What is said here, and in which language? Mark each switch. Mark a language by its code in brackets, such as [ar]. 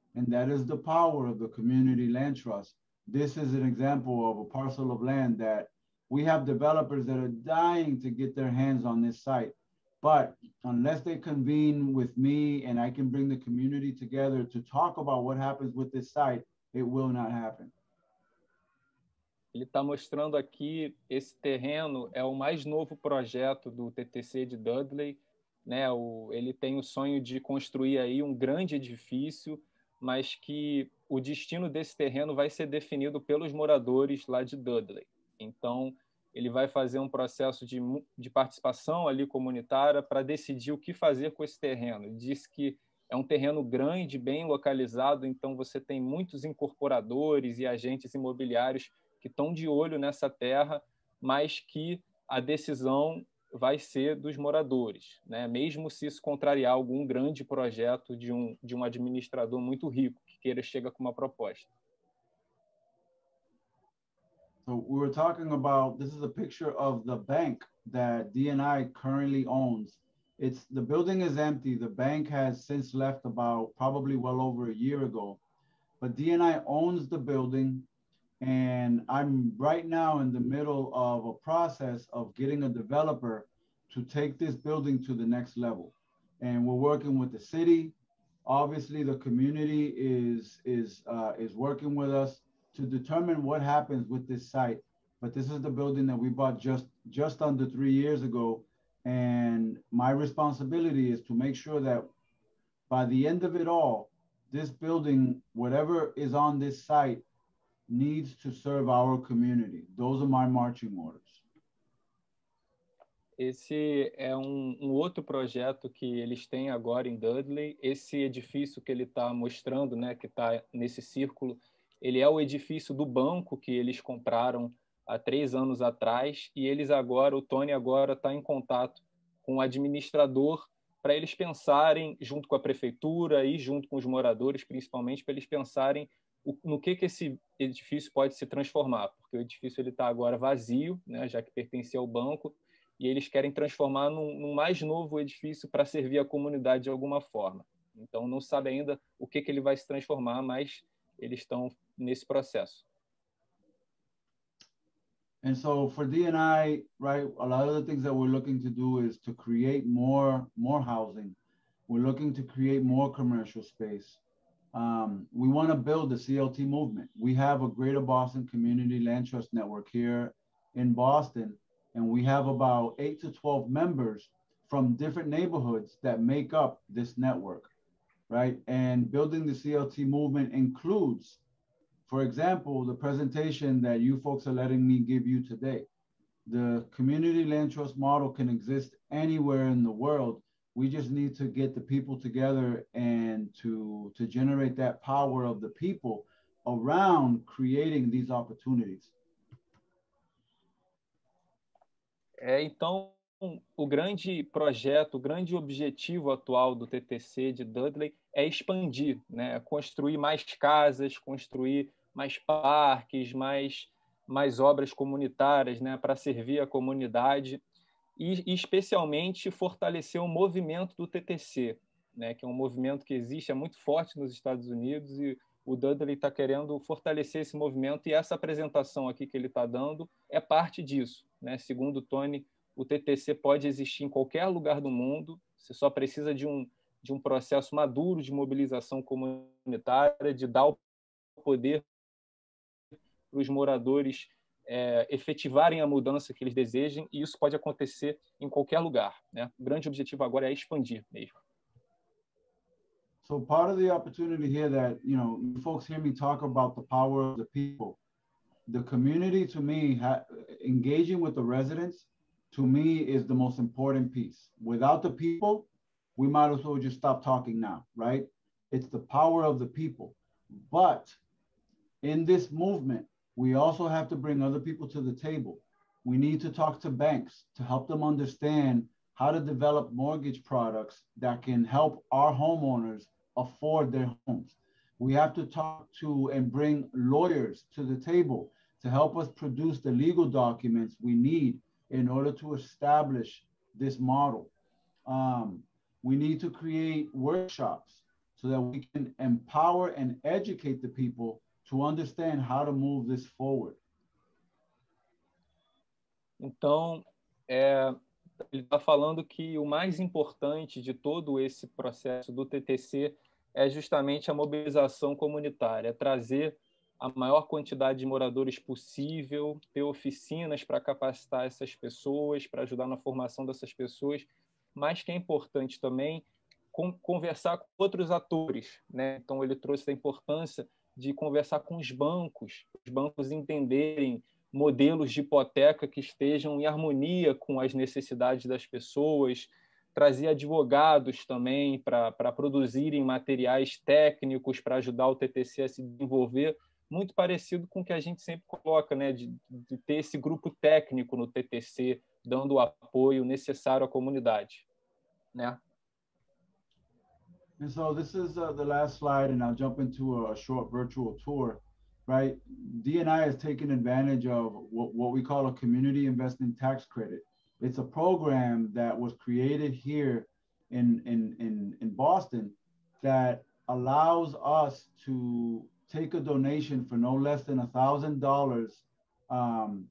[en] And that is the power of the Community Land Trust. This is an example of a parcel of land that we have developers that are dying to get their hands on this site. But unless they convene with me and I can bring the community together to talk about what happens with this site, it will not happen. [pt] Ele está mostrando aqui, esse terreno é o mais novo projeto do TTC de Dudley, né? Ele tem o sonho de construir aí um grande edifício, mas que o destino desse terreno vai ser definido pelos moradores lá de Dudley. Então, ele vai fazer um processo de participação ali comunitária para decidir o que fazer com esse terreno. Diz que é um terreno grande, bem localizado, então você tem muitos incorporadores e agentes imobiliários que estão de olho nessa terra, mas que a decisão vai ser dos moradores, né? Mesmo se isso contrariar algum grande projeto de um administrador muito rico que Siqueira chega com uma proposta. [en] So we were talking about, this is a picture of the bank that DNI currently owns. It's, the building is empty. The bank has since left about probably well over a year ago. But DNI owns the building. And I'm right now in the middle of a process of getting a developer to take this building to the next level. And we're working with the city. Obviously, the community is working with us to determine what happens with this site. But this is the building that we bought just under 3 years ago. And my responsibility is to make sure that by the end of it all, this building, whatever is on this site, needs to serve our community. Those are my marching orders. [pt] Esse é um outro projeto que eles têm agora em Dudley. Esse edifício que ele está mostrando, né, que está nesse círculo, ele é o edifício do banco que eles compraram há 3 anos atrás. E eles agora, o Tony agora está em contato com o administrador para eles pensarem, junto com a prefeitura e junto com os moradores, principalmente, para eles pensarem no que esse edifício pode se transformar. Porque o edifício está agora vazio, né, já que pertencia ao banco, e eles querem transformar num mais novo edifício para servir a comunidade de alguma forma. Então, não sabe ainda o que ele vai se transformar, mas eles estão nesse processo. [en] And so for D&I, right, a lot of the things that we're looking to do is to create more housing. We're looking to create more commercial space. We want to build the CLT movement. We have a Greater Boston Community Land Trust Network here in Boston, and we have about 8 to 12 members from different neighborhoods that make up this network, right? And building the CLT movement includes, for example, the presentation that you folks are letting me give you today. The Community Land Trust model can exist anywhere in the world. We just need to get the people together and to generate that power of the people around creating these opportunities. [pt] É, então, o grande projeto, o grande objetivo atual do TTC de Dudley é expandir, né? Construir mais casas, construir mais parques, mais obras comunitárias, né? Para servir a comunidade. E especialmente fortalecer o movimento do TTC, né, que é um movimento que existe, é muito forte nos Estados Unidos, e o Dudley está querendo fortalecer esse movimento, e essa apresentação aqui que ele está dando é parte disso. Né? Segundo o Tony, o TTC pode existir em qualquer lugar do mundo, você só precisa de um processo maduro de mobilização comunitária, de dar o poder para os moradores efetivarem a mudança que eles desejem, e isso pode acontecer em qualquer lugar, né? O grande objetivo agora é expandir mesmo. [en] So part of the opportunity here that, you know, you folks hear me talk about the power of the people. The community, to me, engaging with the residents, to me, is the most important piece. Without the people, we might as well just stop talking now, right? It's the power of the people. But in this movement, we also have to bring other people to the table. We need to talk to banks to help them understand how to develop mortgage products that can help our homeowners afford their homes. We have to talk to and bring lawyers to the table to help us produce the legal documents we need in order to establish this model. We need to create workshops so that we can empower and educate the people to understand how to move this forward. [pt] Então, ele está falando que o mais importante de todo esse processo do TTC é justamente a mobilização comunitária, trazer a maior quantidade de moradores possível, ter oficinas para capacitar essas pessoas, para ajudar na formação dessas pessoas, mas que é importante também conversar com outros atores, né? Então, ele trouxe a importância de conversar com os bancos entenderem modelos de hipoteca que estejam em harmonia com as necessidades das pessoas, trazer advogados também para produzirem materiais técnicos para ajudar o TTC a se desenvolver, muito parecido com o que a gente sempre coloca, né, de ter esse grupo técnico no TTC dando o apoio necessário à comunidade, né? [en] And so this is the last slide, and I'll jump into a short virtual tour, right? DNI has taken advantage of what we call a community investment tax credit. It's a program that was created here in Boston that allows us to take a donation for no less than $1,000.